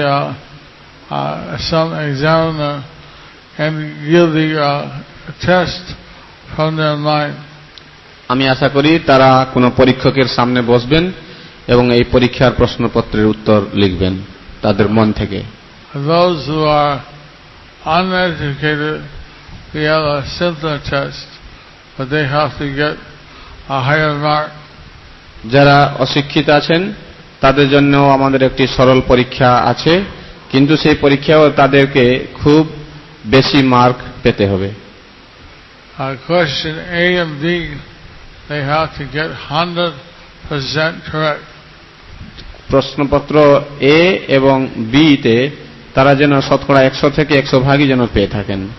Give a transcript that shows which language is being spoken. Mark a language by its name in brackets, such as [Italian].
[English] Some examiner and give the test from their mind. [Bangla] আমি আশা করি তারা কোন পরীক্ষকের সামনে বসবেন এবং এই পরীক্ষার প্রশ্নপত্রের উত্তর লিখবেন তাদের মন থেকে। [English] Those who are uneducated, they have a simpler test, but they have to get a higher mark. [Bangla] যারা অশিক্ষিত আছেন তাদের জন্য আমাদের একটি সরল পরীক্ষা আছে, কিন্তু সেই পরীক্ষাও তাদেরকে খুব বেশি মার্ক পেতে হবে। [English] Question A and B, they have to get 100% correct. [Bangla] প্রশ্নপত্র A এবং B তে তারা যেন শতকরা 100 থেকে 100 ভাগই যেন পেয়ে থাকেন।